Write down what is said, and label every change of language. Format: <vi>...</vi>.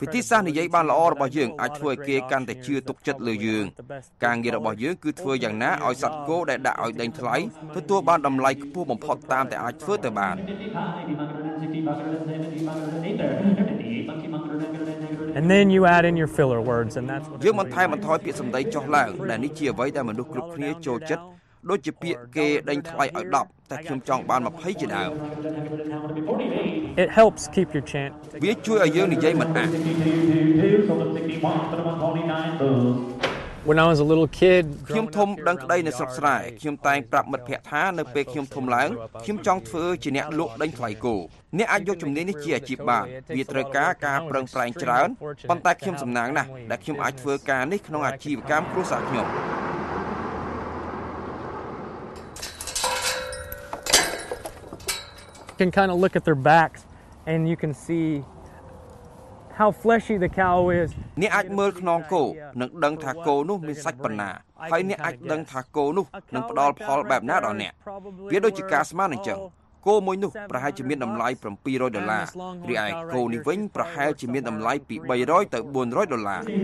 <km>ពីទីសាននិយាយបានល្អរបស់យើងអាចធ្វើឲ្យគេកាន់តែជឿទុកចិត្តលើយើងការងាររបស់យើងគឺធ្វើយ៉ាងណាឲ្យសត្វគោដែលដាក់ឲ្យដេញថ្លៃទទួលបានតម្លៃខ្ពស់បំផុតតាមតែអាចធ្វើទៅបាន</km> <en>And then you add in your filler words and that's what</en> <km>យើងបន្ថែមបន្ថយពាក្យសម្ដីចុះឡើងដែលនេះជាអ្វីដែលមនុស្សគ្រប់គ្នាចូលចិត្តដូចជាពាក្យគេដេញថ្លៃឲ្យ10តែខ្ញុំចង់បាន20ជាដើម</km> <en>It helps keep your chant</en> <km>វាជួយឲ្យយើងនិយាយមិនអាក</km> <en>When I was a little kid</en> <km>ខ្ញុំធំដឹងក្តីនៅស្រុកស្រែខ្ញុំតែងប្រាប់មិត្តភក្តិថានៅពេលខ្ញុំធំឡើងខ្ញុំចង់ធ្វើជាអ្នកលក់ដេញថ្លៃគោអ្នកអាចយកជំនាញនេះជាអាជីពបានវាត្រូវការការប្រឹងប្រែងច្រើនប៉ុន្តែខ្ញុំសំណាងណាស់ដែលខ្ញុំអាចធ្វើការនេះក្នុងអាជីវកម្មគ្រួសារខ្ញុំ</km> <en>can kind of look at their backs and you can see how fleshy the cow is</en> <km>អ្នកអាចមើលខ្នងគោនឹងដឹងថាគោនោះមានសាច់ប៉ុណ្ណាហើយអ្នកអាចដឹងថាគោនោះនឹងផ្ដល់ផលបែបណាដល់អ្នកវាដូចជាការស្មានអញ្ចឹងគោមួយនោះប្រហែលជាមានតម្លៃ700ដុល្លាររីឯគោនេះវិញប្រហែលជាមានតម្លៃពី300ទៅ400ដុល្លារ</km>